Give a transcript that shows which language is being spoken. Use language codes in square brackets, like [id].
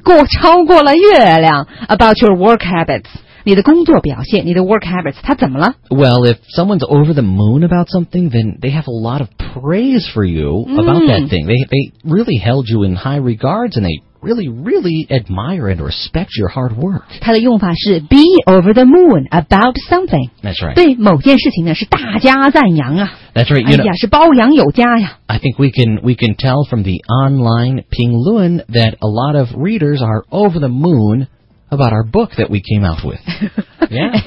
[zh] 超过了月亮 [en] about your work habits [zh] 你的工作表现你的 work habits 它怎么了 [en] Well, if someone's over the moon about something then they have a lot of praise for you about that thing they really held you in high regards and they really, really admire and respect your hard work [zh] 它的用法是 [en] be over the moon about something That's right [zh] 对某件事情呢是大加赞扬啊 [en] That's right [zh] 哎呀是褒扬有加呀 [en] I think we can tell from the online 评论 that a lot of readers are over the moon about our book that we came out with Yeah,